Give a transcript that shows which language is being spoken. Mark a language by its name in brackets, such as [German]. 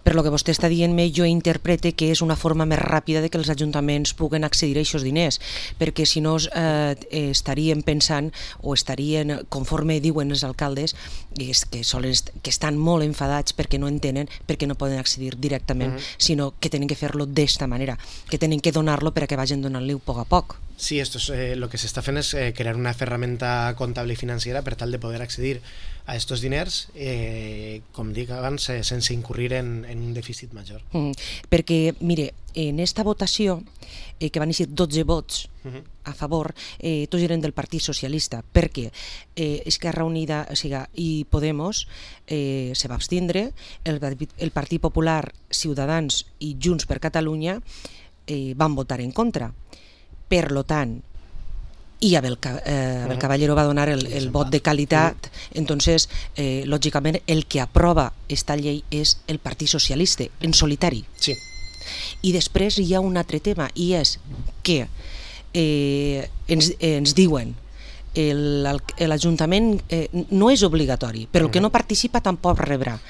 [Catalan] Però el que vostè està dient-me, jo interprete que és una forma més ràpida de que els ajuntaments puguen accedir a aquests diners, perquè si no estarien pensant, o estarien, conforme diuen els alcaldes, que estan molt enfadats perquè no entenen, perquè no poden accedir directament, sinó que tenen que fer-lo d'esta manera, que tenen que donar-lo perquè vagin donant-li a poc a poc. [Spanish] Sí, esto es lo que se está haciendo es crear una herramienta contable y financiera para tal de poder acceder a estos diners, como digo antes, [Catalan] sense incurrir [Spanish] en un déficit mayor. Porque mire, en esta votación que van a ser 12 votos a favor, todos eran del Partido Socialista, porque Esquerra Unida, o sea, y Podemos se va a abstener, el Partido Popular, Ciudadanos y Junts per Catalunya van a votar en contra. [Catalan] Per lo tant, i Abel Caballero va donar el vot de qualitat, entonces, lògicament, el que aprova esta llei és el Partit Socialista, en solitari. Sí. I després hi ha un altre tema, i és que ens diuen l'Ajuntament no és obligatori, però el que no participa tampoc rebrà.